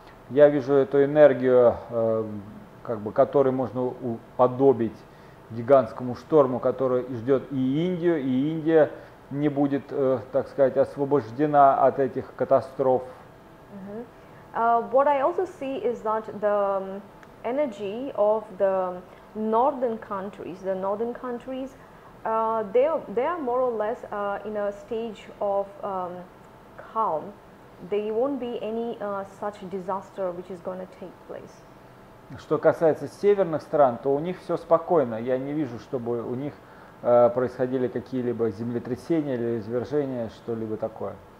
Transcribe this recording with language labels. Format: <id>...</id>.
<ru>Я вижу эту энергию, как бы, которой можно уподобить гигантскому шторму, который ждет и Индию, и Индия не будет, так сказать, освобождена от этих катастроф.</ru> <en>What I also see is that the energy of the northern countries, they are more or less in a stage of calm. There won't be any such disaster which is going to take place.</en> <ru>Что касается северных стран, то у них все спокойно. Я не вижу, чтобы у них происходили какие-либо землетрясения или извержения, что-либо такое.</ru>